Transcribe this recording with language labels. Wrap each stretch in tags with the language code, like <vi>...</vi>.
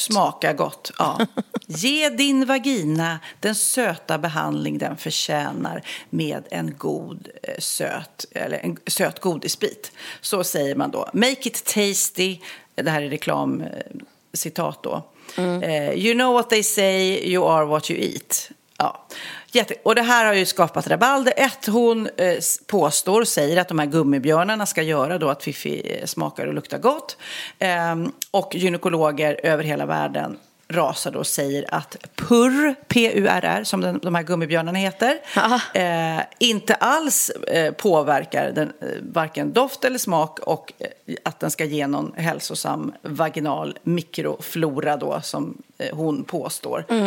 <sv>Smaka gott. Ja. Ge din vagina den söta behandling den förtjänar med en god söt, eller en söt godisbit. Så säger man då.</sv> <en>Make it tasty.</en> <sv>Det här är reklam citat då.</sv> <en>You know what they say, you are what you eat.</en> <sv>Ja. Jätte. Och det här har ju skapat rabalder. Ett, hon påstår och säger att de här gummibjörnarna ska göra då att Fifi smakar och luktar gott. Och gynekologer över hela världen rasar då och säger att purr, P-U-R-R, som de här gummibjörnarna heter, inte alls påverkar den, varken doft eller smak, och att den ska ge någon hälsosam vaginal mikroflora då, som hon påstår.</sv>